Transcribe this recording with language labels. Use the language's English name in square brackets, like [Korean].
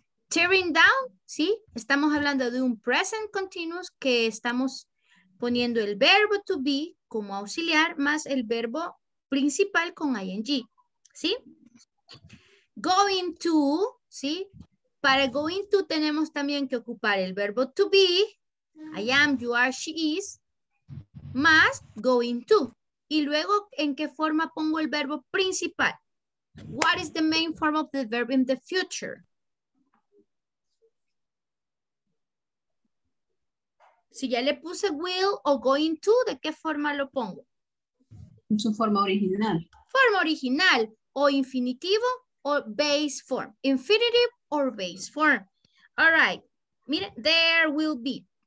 [English] Tearing down, [Spanish] ¿sí? Estamos hablando de un present continuous que estamos poniendo el verbo to be como auxiliar más el verbo principal con ing, ¿sí? Going to, ¿sí? Para going to tenemos también que ocupar el verbo to be, [English] I am, you are, she is, [Spanish] más going to. Y luego, ¿en qué forma pongo el verbo principal? [English] What is the main form of the verb in the future? [Spanish] Si ya le puse will o going to, ¿de qué forma lo pongo? En su forma original. Forma original o infinitivo o base form. [English] Infinitive or base form. All right. Mire, there will be.